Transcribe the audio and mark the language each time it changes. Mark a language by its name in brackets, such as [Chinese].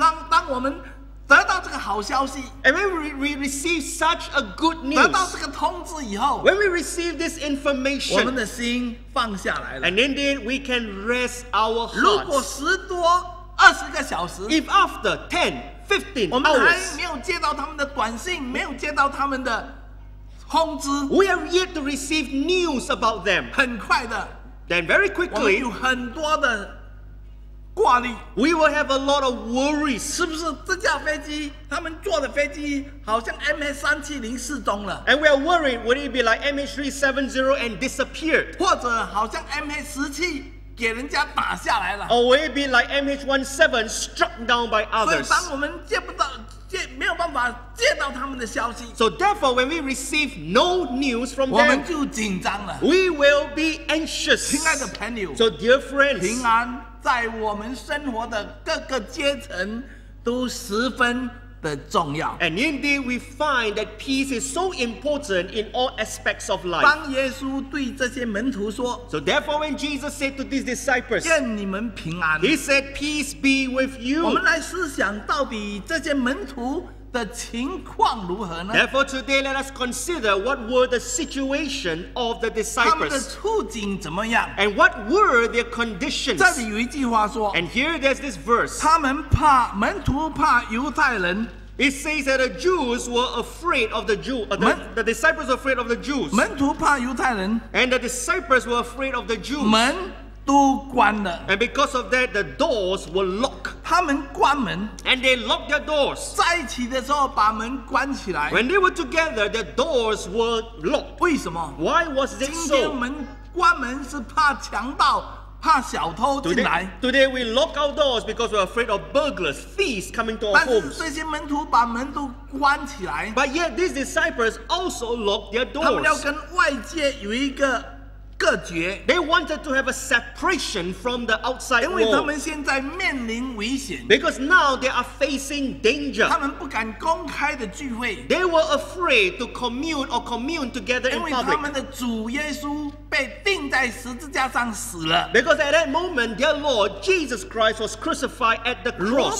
[Chinese] 当我们得到这个好消息 [English] ，and when we receive such a good news， [Chinese] 得到这个通知以后 [English] ，when we receive this information， [Chinese] 我们的心放下来了 [English] ，and indeed we can rest our hearts。 [Chinese] 如果十多二十个小时 [English] ，if after 10, 15 hours， [Chinese] 我们还没有接到他们的短信，没有接到他们的通知 [English] ，we have yet to receive news about them。 [Chinese] 很快的 [English] ，then very quickly， [Chinese] 我们有很多的。挂历 [English] We will have a lot of worries. [Chinese] 是不是这架飞机他们坐的飞机好像 MH370 失踪了 [English] And we are worried, would it be like MH370 and disappeared? [Chinese] 或者好像 MH17 给人家打下来了 [English] Or would it be like MH17 struck down by others? [Chinese] 所以当我们接不到没有办法接到他们的消息 [English] So therefore, when we receive no news from them, [Chinese] 我们就紧张了 [English] We will be anxious. [Chinese] 亲爱的朋友 [English] So dear friends, [Chinese] 平安在我们生活的各个阶层都十分的重要。 [English] And indeed, we find that peace is so important in all aspects of life. [Chinese] 当耶稣对这些门徒说 [English] ，So therefore, when Jesus said to these disciples, [Chinese] 愿你们平安 [English] ，He said, "Peace be with you." [Chinese] 我们来思想到底这些门徒的情况如何呢 [English] ？Therefore, today, let us consider what were the situation of the disciples. [Chinese] 他们的处境怎么样 [English] ？And what were their conditions? [Chinese] 这里有一句话说 [English] ，And here there's this verse. [Chinese] 他们怕门徒怕犹太人。 [English] It says that the Jews were afraid of the Jews. The disciples were afraid of the Jews. [Chinese] 门徒怕犹太人。 [English] And the disciples were afraid of the Jews. [Chinese] 门都关了 [English] ，and because of that, the doors were locked. [Chinese] 他们关门 [English] ，and they locked their doors. [Chinese] 在一起的时候把门关起来 [English] ，when they were together, the doors were locked. [Chinese] 为什么 [English] ？Why was this so? [Chinese] 今天门关门是怕强盗、怕小偷进来。 [English] Today we lock our doors because we're afraid of burglars, thieves coming to our homes. [Chinese] 但是这些门徒把门都关起来 [English] ，but yet these disciples also locked their doors. [Chinese] 他们要跟外界有一个。隔绝 [English] They wanted to have a separation from the outside world. [Chinese] 因为他们现在面临危险 [English] Because now they are facing danger. [Chinese] 他们不敢公开的聚会 [English] They were afraid to commune or commune together in public. [Chinese] 因为他们的主耶稣被钉在十字架上死了。 [English] Because at that moment, dear Lord, Jesus Christ was crucified at the cross.